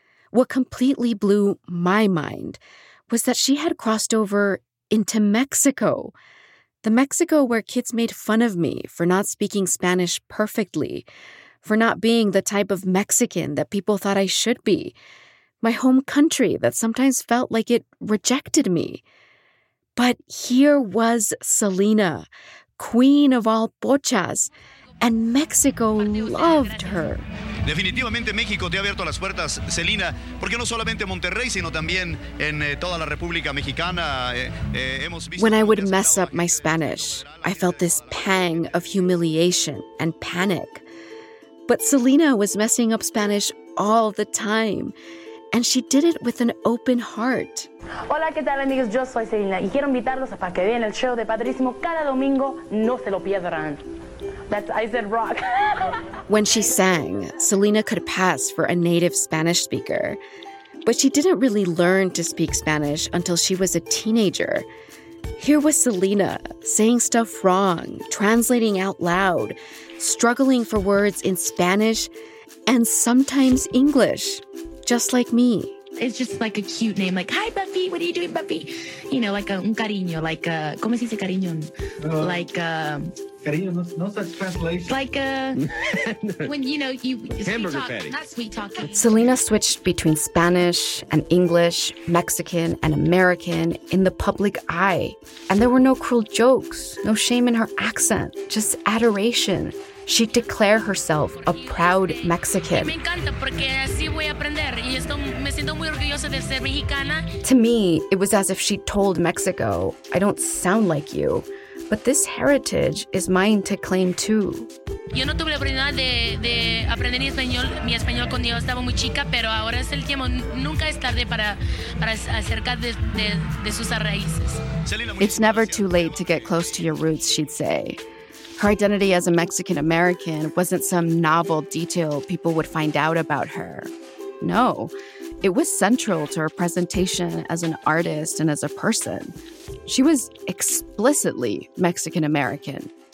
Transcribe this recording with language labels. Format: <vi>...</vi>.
<en>What completely blew my mind was that she had crossed over into Mexico, the Mexico where kids made fun of me for not speaking Spanish perfectly, for not being the type of Mexican that people thought I should be, my home country that sometimes felt like it rejected me. But here was Selena, queen of all pochas, and Mexico loved her.</en> <es>Definitivamente México te ha abierto las puertas, Selena, porque no solamente Monterrey, sino también en toda la República Mexicana.</es> <en>When I would mess up my Spanish, I felt this pang of humiliation and panic. But Selena was messing up Spanish all the time, and she did it with an open heart.</en> <es>Hola, ¿qué tal, amigos? Yo soy Selena y quiero invitarlos a que vean el show de Padrísimo cada domingo. No se lo pierdan.</es> <en>That's, I said rock. When she sang, Selena could pass for a native Spanish speaker. But she didn't really learn to speak Spanish until she was a teenager. Here was Selena, saying stuff wrong, translating out loud, struggling for words in Spanish, and sometimes English, just like me. It's just like a cute name, like, hi, Buffy, what are you doing, Buffy? You know, like a,</en> <es>un cariño,</es> <en>like a,</en> <es>¿cómo se dice cariño?</es> <en>Like a...</en> <es>Cariño, no,</es> <en>no such translation. Like, when, you know, you sweet talk, not sweet talk. Selena switched between Spanish and English, Mexican and American in the public eye. And there were no cruel jokes, no shame in her accent, just adoration. She'd declare herself a proud Mexican. To me, it was as if she told Mexico, I don't sound like you. But this heritage is mine to claim too.</en> <es>Yo no tuve la oportunidad de aprender mi español cuando yo estaba muy chica, pero ahora es el tiempo. Nunca es tarde para acercar de sus raíces.</es> <en>It's never too late to get close to your roots, she'd say. Her identity as a Mexican American wasn't some novel detail people would find out about her. No, it was central to her presentation as an artist and as a person. She was explicitly Mexican-American.</en>